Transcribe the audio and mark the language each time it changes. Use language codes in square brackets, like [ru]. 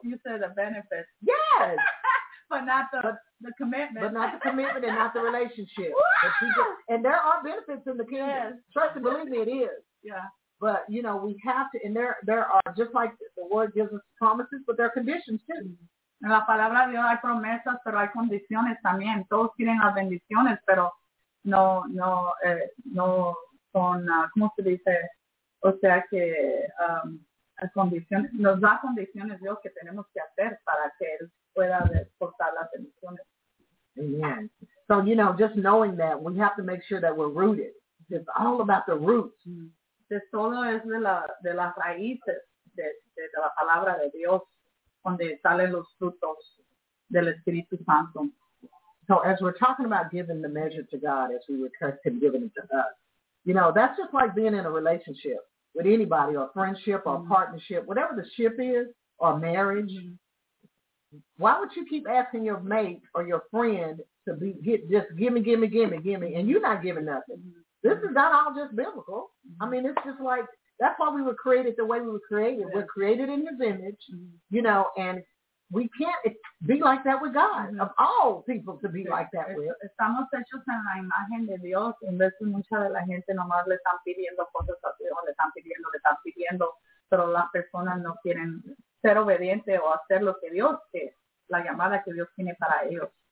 [en] You said a benefit. Yes. but not the commitment. But not the commitment and not the relationship. Wow. And there are benefits in the kingdom. Yes. Trust and believe me, it is. Yeah. But, you know, we have to, and there are, just like the word gives us promises, but there are conditions too. [es] En la palabra de Dios hay promesas, pero hay condiciones también. Todos quieren las bendiciones, pero nos da condiciones Dios que tenemos que hacer para que él pueda exportar las bendiciones. [en] Amen. So, you know, just knowing that, we have to make sure that we're rooted. It's all about the roots. Mm-hmm. [es] Es solo es de las raíces de la palabra de Dios donde salen los frutos del Espíritu Santo. [en] So as we're talking about giving the measure to God as we request him giving it to us, you know, that's just like being in a relationship with anybody, or friendship, or mm-hmm. partnership, whatever the ship is, or marriage, mm-hmm. why would you keep asking your mate or your friend to just give me, and you're not giving nothing? Mm-hmm. This is not all just biblical. Mm-hmm. I mean, it's just like, that's why we were created the way we were created. Yes. We're created in his image, mm-hmm. you know, and we can't be like that with God, mm-hmm. of all people to be yes. like that with. [es] Estamos hechos en la imagen de Dios. En vez de mucha de la gente nomás le están pidiendo cosas a Dios, le están pidiendo, pero las personas no quieren ser obedientes o hacer lo que Dios quiere, la llamada que Dios tiene para ellos.